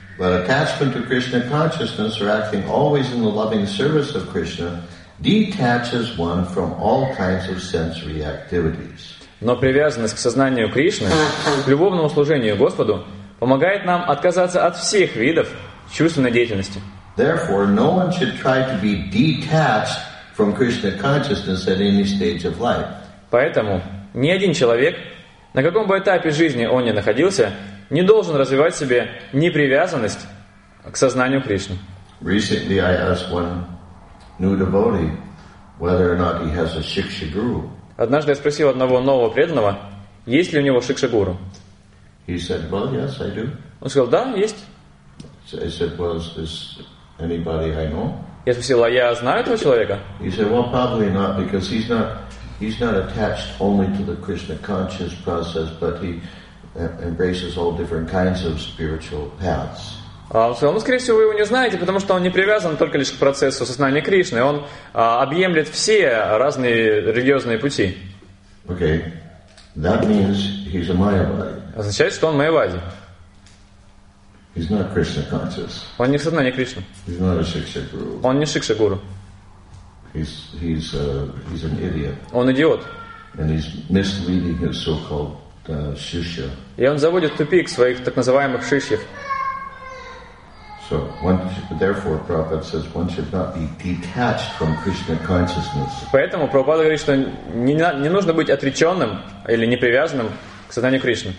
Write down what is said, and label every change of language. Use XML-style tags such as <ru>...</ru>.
<en>But attachment to Krishna consciousness or acting always in the loving service of Krishna detaches one from all kinds of sensory activities.</en> <ru>Но привязанность к сознанию Кришны, к любовному служению Господу, помогает нам отказаться от всех видов чувственной деятельности.</ru> <en>Therefore, no one should try to be detached from Krishna consciousness at any stage of life.</en> <ru>Поэтому ни один человек, на каком бы этапе жизни он ни находился, не должен развивать в себе непривязанность к сознанию Кришны.</ru> <en>Recently I asked one new devotee whether or not he has a Shiksha Guru.</en> <ru>Однажды я спросил одного нового преданного, есть ли у него Шикша Гуру.</ru> <en>He said, well, yes, I do.</en> <ru>Он сказал, да, есть.</ru> <en>So I said, well, is this anybody I know?</en> <ru>Я спросил, а я знаю этого человека?</ru> <en>He said, well, probably not, because he's not attached only to the Krishna conscious process, but he embraces all different kinds of spiritual paths.</en> <ru>Он сказал, ну, скорее всего, вы его не знаете, потому что он не привязан только лишь к процессу сознания Кришны. Он объемлет все разные религиозные пути.</ru> <en>Okay. That means he's a Mayavadi.</en> <ru>Означает, что он Майявади.</ru> <en>He's not Krishna conscious.</en> <ru>Он не в сознании Кришны.</ru> <en>He's not a Shiksha Guru.</en> <ru>Он не Шикша Гуру.</ru> <en>He's an idiot.</en> <ru>Он идиот.</ru> <en>And he's misleading his so-called shishya.</en> <ru>И он заводит в тупик своих так называемых шишьев.</ru> <en>So therefore, Prabhupada says one should not be detached from Krishna consciousness.</en> <ru>Поэтому Прабхупада говорит, что не нужно быть отреченным или непривязанным к сознанию Кришны.</ru>